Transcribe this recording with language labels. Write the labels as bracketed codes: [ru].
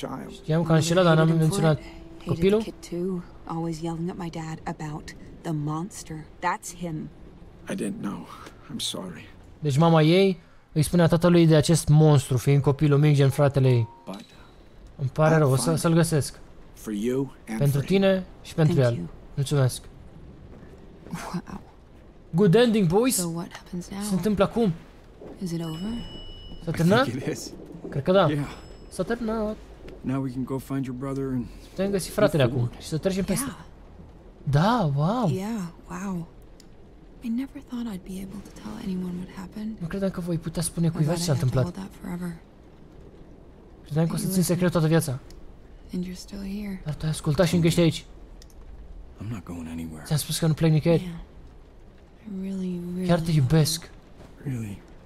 [ro] Știam că a înșelat, dar n-am menționat copilul. [en] Always yelling at my dad about the monster. That's him. I didn't know. I'm sorry. [ro] Deci mama ei îi spunea tatălui de acest monstru, fiind copilul mic, gen fratele ei. Îmi pare rău, o să-l găsesc. [en] For you and [ro] pentru tine și pentru el. Mulțumesc. [en] Wow. Good ending, boys. So what happens now? [ro] Se întâmplă acum. [en] Is it over? [ro] S-a terminat? [en] I think it is. [ro] Cred că da. [en] Yeah. [ro] S-a terminat. [en] Now we can go find your brother and [ro] putem găsi fratele acum și să trecem peste. Da, wow. [en] Yeah, wow. I never thought I'd be able to tell anyone what happened. [ro] Nu credeam că voi putea spune cuiva ce s-a întâmplat. Credeam că o să țin secret toată viața. [en] And you're still here. [ro] Dar tu ai ascultat și încă ești aici. [en] I'm not going anywhere. [ro] Ți-am spus că nu plec nicăieri. Chiar te iubesc. [en] Really.